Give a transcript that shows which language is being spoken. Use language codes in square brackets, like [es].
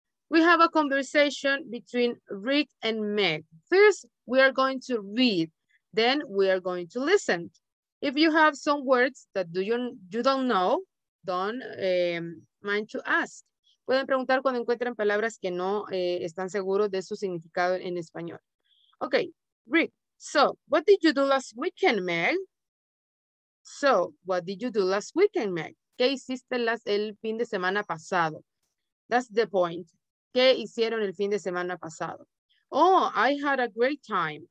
[en] We have a conversation between Rick and Meg. First, we are going to read. Then we are going to listen. If you have some words that you don't know, don't mind to ask. [es] Pueden preguntar cuando encuentren palabras que no están seguros de su significado en español. [en] Okay, Rick. So, what did you do last weekend, Meg? So, what did you do last weekend, Meg? [es] ¿Qué hiciste el fin de semana pasado? [en] That's the point. [es] ¿Qué hicieron el fin de semana pasado? [en] Oh, I had a great time.